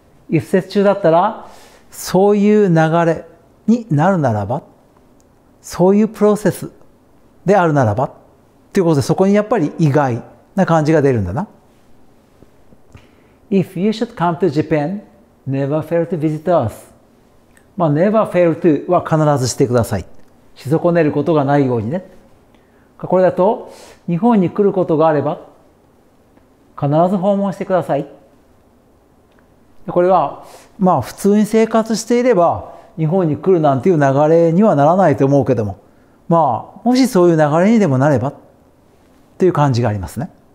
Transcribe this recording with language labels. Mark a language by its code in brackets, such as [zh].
[ja] if 接中だったらそういう流れになるならば、そういうプロセスであるならばということで、そこにやっぱり意外な感じが出るんだな。 [en] If you should come to Japan, never fail to visit us. [ja] まあ、 [en] never fail to [ja] は必ずしてください。し損ねることがないようにね。これだと、日本に来ることがあれば、必ず訪問してください。これは、まあ、普通に生活していれば、日本に来るなんていう流れにはならないと思うけども、まあ、もしそういう流れにでもなれば、という感じがありますね。